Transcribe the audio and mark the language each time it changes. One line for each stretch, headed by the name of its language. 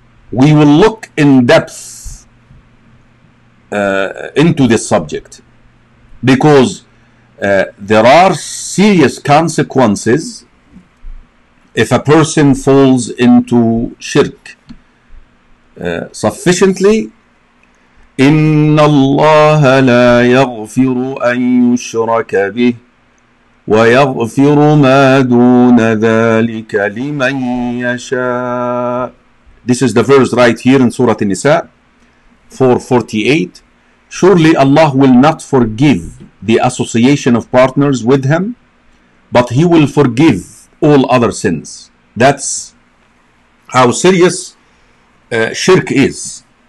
English: We will look in depth into this subject, because there are serious consequences if a person falls into shirk.
Arabic: Sufficiently, إِنَّ اللَّهَ لَا يَغْفِرُ أَن يُشْرَكَ بِهِ وَيَغْفِرُ مَا دُونَ ذَلِكَ لِمَن يَشَاءُ.
English: This is the verse right here in Surah An-Nisa 448. Surely Allah will not forgive the association of partners with him, but he will forgive all other sins. That's how serious shirk is.